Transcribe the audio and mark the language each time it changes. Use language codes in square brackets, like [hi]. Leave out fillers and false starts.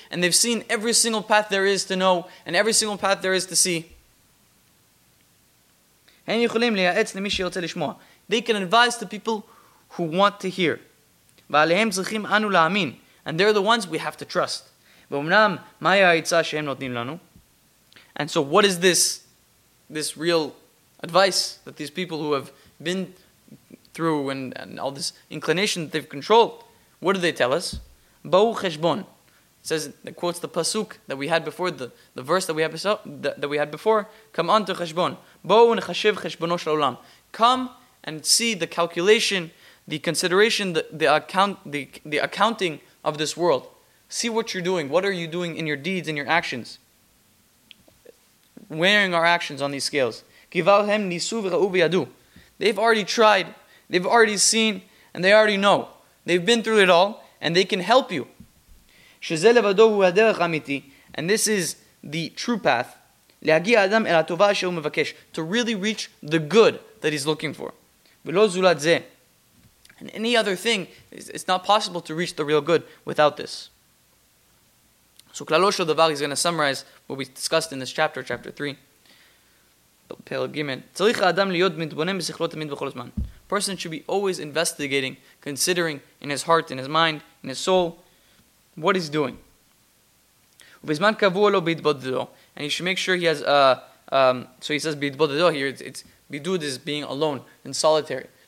[en] and they've seen every single path there is to know, and every single path there is to see. [he] הם יכולים לייעץ למי שרוצה לשמוע. [en] They can advise to people who want to hear. [he] ועליהם צריכים אנו להאמין. [en] And they're the ones we have to trust. [he] ואומנם, מהי העצה שהם נותנים לנו? [en] And so what is this real advice that these people who have been through and all this inclination that they've controlled, what do they tell us? [he] בואו חשבון. [en] It quotes the pasuk that we had before, the verse that we had before. Come on to חשבון. [he] בואו נחשב חשבונו של עולם. [en] Come and see the calculation, the consideration, the accounting of this world. See what you're doing. What are you doing in your deeds and your actions? Weighing our actions on these scales. [he] כבעלהם ניסו וראו וידעו. [en] They've already tried. They've already seen. And they already know. They've been through it all. And they can help you. [he] שזה לבדו הוא הדרך האמיתי. [en] And this is the true path. [he] להגיע אדם אל הטובה שהוא מבקש. [en] To really reach the good that he's looking for. [he] ולא זולת זה. [en] And any other thing, it's not possible to reach the real good without this. So [he] כללו של דבר, [en] he's going to summarize what we discussed in this chapter, chapter 3. פרק ג' [he] צריך האדם להיות מתבונן בשכלו תמיד וכל הזמן. [en] Person should be always investigating, considering in his heart, in his mind, in his soul, what he's doing. [he] ובזמן קבוע לו בהתבודדו, [en] and he should make sure he has so he says bidbo dedo here, it's bidud is being alone and solitary.